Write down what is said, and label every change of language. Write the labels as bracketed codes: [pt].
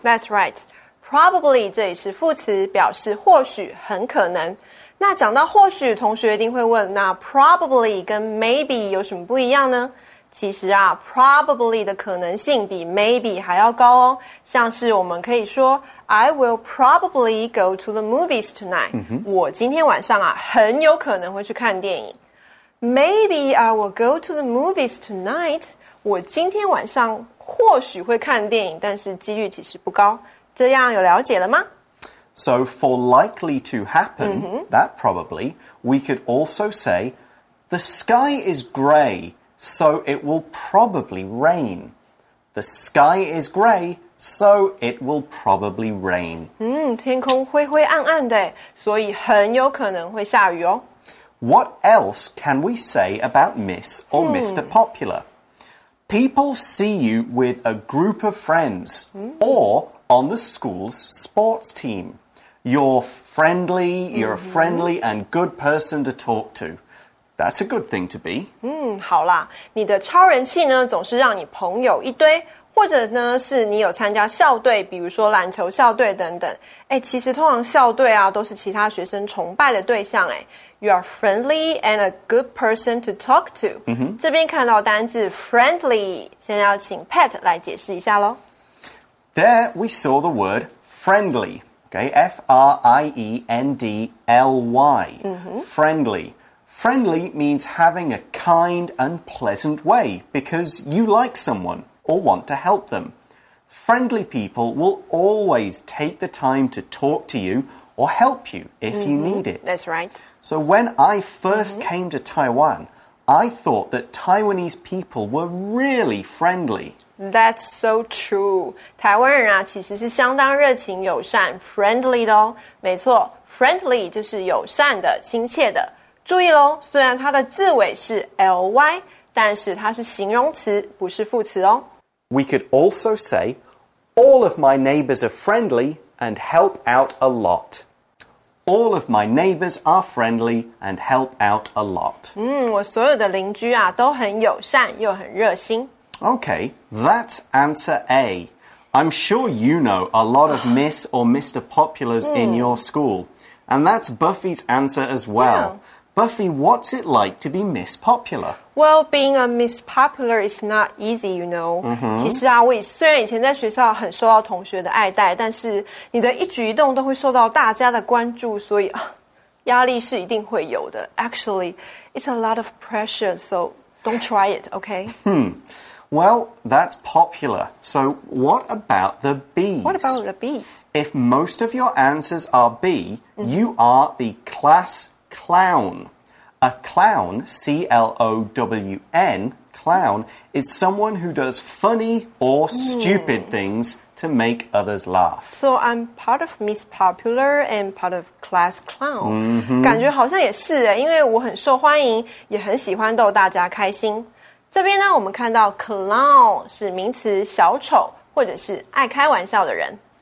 [en] That's right. [zh] Probably 这也是副词，表示或许，很可能。那讲到或许，同学一定会问，那 probably 跟 maybe 有什么不一样呢？其实啊 ,probably 的可能性比 maybe 还要高哦。像是我们可以说 [en] ,I will probably go to the movies tonight.、 Mm-hmm. [zh] 我今天晚上啊很有可能会去看电影。 [en] Maybe I will go to the movies tonight. [zh] 我今天晚上或许会看电影，但是几率其实不高。这样有了解了吗？ [en] So for likely to happen,、mm-hmm. that probably, we could also say, the sky is gray, so it will probably rain. The sky is gray, so it will probably rain.、 [zh] Mm, 天空灰灰暗暗的，所以很有可能会下雨哦。 [en] What else can we say about Miss or、mm. Mr. Popular? People see you with a group of friends、mm. or on the school's sports team. You're friendly, you're、mm-hmm. a friendly and good person to talk to. That's a good thing to be. [zh] 好啦，你的超人气呢总是让你朋友一堆，或者呢是你有参加校队，比如说篮球校队等等。诶，其实通常校队啊都是其他学生崇拜的对象。 [en] 诶， You're friendly and a good person to talk to.、 Mm-hmm. [zh] 这边看到单字 friendly, 现在要请 Pat 来解释一下咯。 [en] There we saw the word friendly. Okay, F-R-I-E-N-D-L-Y,、 mm-hmm. friendly. Friendly means having a kind and pleasant way because you like someone or want to help them. Friendly people will always take the time to talk to you or help you if、mm-hmm. you need it. That's right. So when I first、mm-hmm. came to Taiwan, I thought that Taiwanese people were really friendly. That's so true. [zh] 台湾人啊其实是相当热情友善 friendly 的哦。没错 friendly 就是友善的亲切的。注意咯虽然它的字尾是 ly, 但是它是形容词不是副词哦。 [en] We could also say, all of my neighbors are friendly and help out a lot. All of my neighbors are friendly and help out a lot. [zh] 我所有的邻居啊都很友善又很热心。 [en] Okay, that's answer A. I'm sure you know a lot of Miss or Mr. Populars、mm. in your school. And that's Buffy's answer as well.、Yeah. Buffy, what's it like to be Miss Popular? Well, being a Miss Popular is not easy, you know.、 Mm-hmm. [zh] 其实啊，我虽然以前在学校很受到同学的爱戴，但是你的一举一动都会受到大家的关注，所以压力是一定会有的。 [en] Actually, it's a lot of pressure, so don't try it, okay? Hmm. Well, that's popular. So what about the B's? What about the B's? If most of your answers are B,、mm-hmm. you are the class clown. A clown, C-L-O-W-N, clown, is someone who does funny or stupid、mm. things to make others laugh. So I'm part of Miss Popular and part of class clown.、 Mm-hmm. [zh] 感觉好像也是耶，因为我很受欢迎，也很喜欢逗大家开心。这边呢我们看到 clown 是名词小丑或者是爱开玩笑的人。